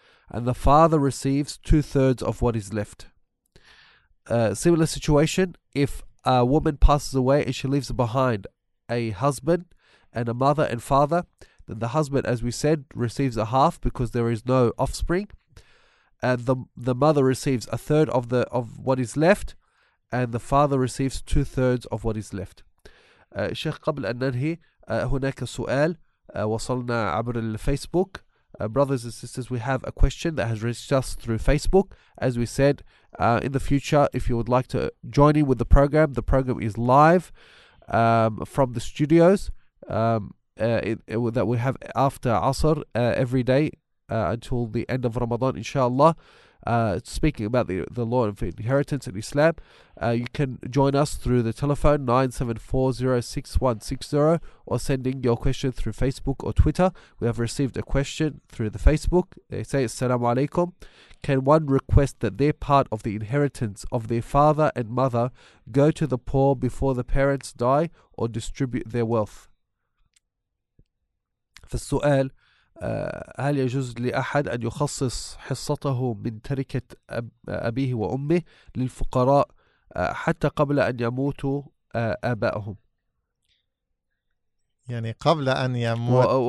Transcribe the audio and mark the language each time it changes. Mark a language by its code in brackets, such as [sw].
[en] And the father receives two-thirds of what is left. Similar situation, if a woman passes away and she leaves behind a husband and a mother and father, then the husband, as we said, receives a half because there is no offspring. And the mother receives a third of the of what is left, and the father receives two-thirds of what is left. [ar] Sheikh, قبل أن ننهي, هناك سؤال وصلنا عبر الفيسبوك. [en] Brothers and sisters, we have a question that has reached us through Facebook. As we said, in the future, if you would like to join in with the program is live from the studios that we have after Asr every day until the end of Ramadan, inshallah. Speaking about the law of inheritance in Islam, you can join us through the telephone 9740-6160 or sending your question through Facebook or Twitter. We have received a question through the Facebook. They say, Assalamu alaikum. Can one request that their part of the inheritance of their father and mother go to the poor before the parents die or distribute their wealth? [ar] The سؤال هل يجوز لأحد أن يخصص حصته من تركة أبيه وأمه للفقراء حتى قبل أن يموتوا آبائهم؟ يعني قبل أن يموت